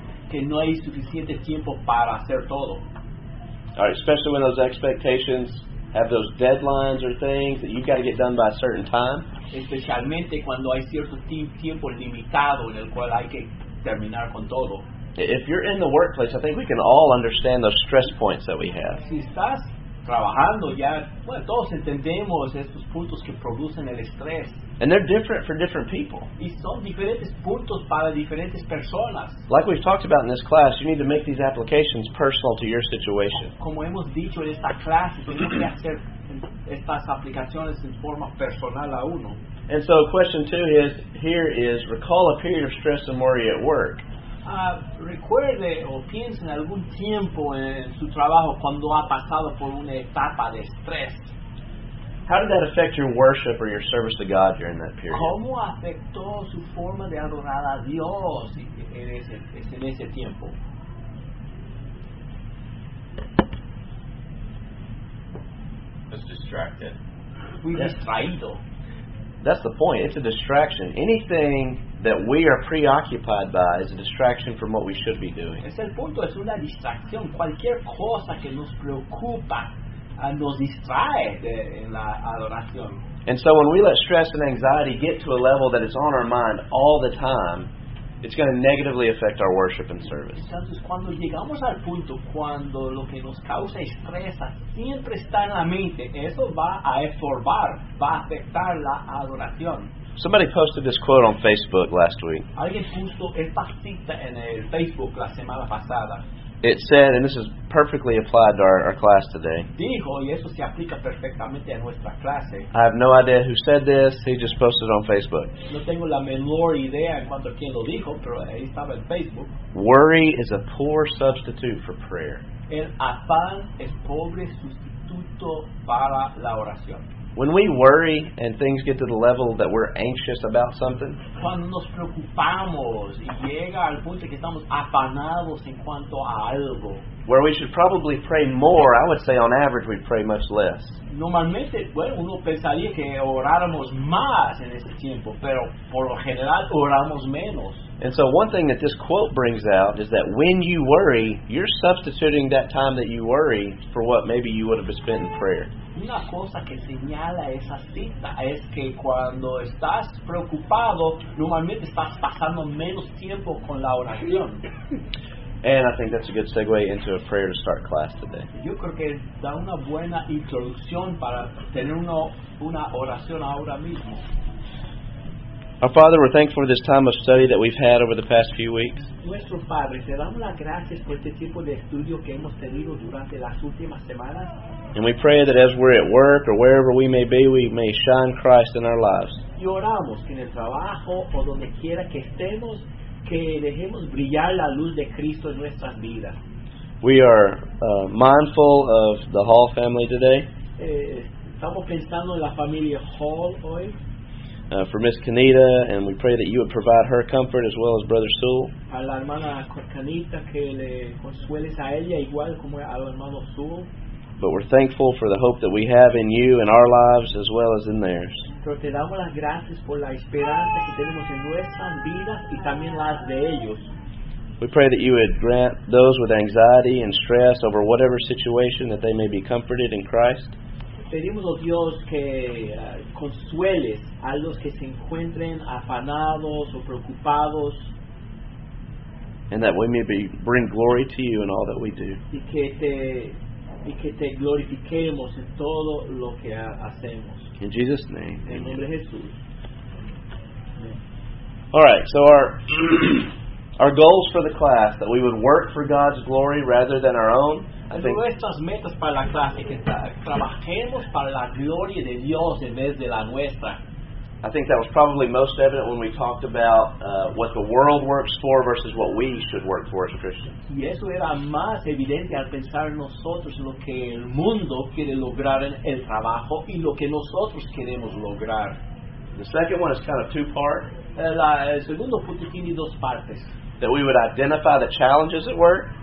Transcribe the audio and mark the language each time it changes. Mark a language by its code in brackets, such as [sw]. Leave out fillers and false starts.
[es] Que no hay suficiente tiempo para hacer todo. [en] All right, especially when those expectations have those deadlines or things that you've got to get done by a certain time. [es] Especialmente cuando hay cierto tiempo limitado en el cual hay que terminar con todo. [en] If you're in the workplace, I think we can all understand those stress points that we have. [es] Si estás trabajando ya, bueno, todos entendemos estos puntos que producen el estrés. [en] And they're different for different people. [es] Y son diferentes puntos para diferentes personas. [en] Like we've talked about in this class, you need to make these applications personal to your situation. [es] Como hemos dicho en esta clase, tenemos que hacer estas aplicaciones en forma personal a uno. [en] And so question two is, here is, recall a period of stress and worry at work. [es] Recuerde o piense en algún tiempo en su trabajo cuando ha pasado por una etapa de estrés. [en] How did that affect your worship or your service to God during that period? [es] ¿Cómo afectó su forma de adorar a Dios en ese tiempo? [en] Was distracted. [es] Fui distraído. [en] That's the point. It's a distraction. Anything that we are preoccupied by is a distraction from what we should be doing. [es] Es el punto. Es una distracción. Cualquier cosa que nos preocupa nos distrae en la adoración. [en] And so when we let stress and anxiety get to a level that is on our mind all the time, it's going to negatively affect our worship and service. [es] Entonces, cuando llegamos al punto cuando lo que nos causa estrés siempre está en la mente, eso va a estorbar, va a afectar la adoración. [en] Somebody posted this quote on Facebook last week. [es] Alguien puso esta cita en el Facebook la semana pasada. [en] It said, and this is perfectly applied to our class today. [es] Dijo, y eso se aplica perfectamente a nuestra clase. [en] I have no idea who said this. He just posted it on Facebook. [es] No tengo la menor idea en cuanto a quién lo dijo, pero ahí estaba en Facebook. [en] Worry is a poor substitute for prayer. [es] El afán es pobre sustituto para la oración. [en] When we worry and things get to the level that we're anxious about something, [es] cuando nos preocupamos y llega al punto que estamos afanados en cuanto a algo, [en] where we should probably pray more, I would say on average we'd pray much less. [es] Normalmente, bueno, uno pensaría que oráramos más en ese tiempo, pero por lo general oramos menos. [en] And so one thing that this quote brings out is that when you worry, you're substituting that time that you worry for what maybe you would have spent in prayer. [es] Una cosa que señala esa cita es que cuando estás preocupado, normalmente estás pasando menos tiempo con la oración. [en] And I think that's a good segue into a prayer to start class today. [es] Yo creo que da una buena introducción para tener una oración ahora mismo. [en] Our Father, we're thankful for this time of study that we've had over the past few weeks. [es] Nuestro Padre, te damos las gracias por este tiempo de estudio que hemos tenido durante las últimas semanas. [en] And we pray that as we're at work or wherever we may be, we may shine Christ in our lives. [es] Y oramos que en el trabajo o donde quiera que estemos, que dejemos brillar la luz de Cristo en nuestras vidas. [en] We are mindful of the Hall family today. [es] Estamos pensando en la familia Hall hoy. [en] For Miss Kanita, and we pray that you would provide her comfort as well as Brother Sewell. [es] A la hermana Kanita, que le consueles a ella igual como al hermano Sewell. [en] But we're thankful for the hope that we have in you in our lives as well as in theirs. [es] Pero te damos las gracias por la esperanza que tenemos en nuestras vidas y también las de ellos. [en] We pray that you would grant those with anxiety and stress over whatever situation that they may be comforted in Christ. [es] Pedimos, oh Dios, que consueles a los que se encuentren afanados o preocupados. [en] And that we may bring glory to you in all that we do. [es] Y que te glorifiquemos en todo lo que hacemos. [en] In Jesus' name. [es] En nombre de Jesús. [en] All right, so our... Our goals for the class, that we would work for God's glory rather than our own. I think [es] nuestras metas para la clase, que trabajemos para la gloria de Dios en vez de la nuestra. [en] I think that was probably most evident when we talked about what the world works for versus what we should work for as Christians. [es] Y eso era más evidente al pensar nosotros lo que el mundo quiere lograr en el trabajo y lo que nosotros queremos lograr. [en] The second one is kind of two-part. [es] El segundo punto tiene dos partes. [en] That we would identify the challenges at work.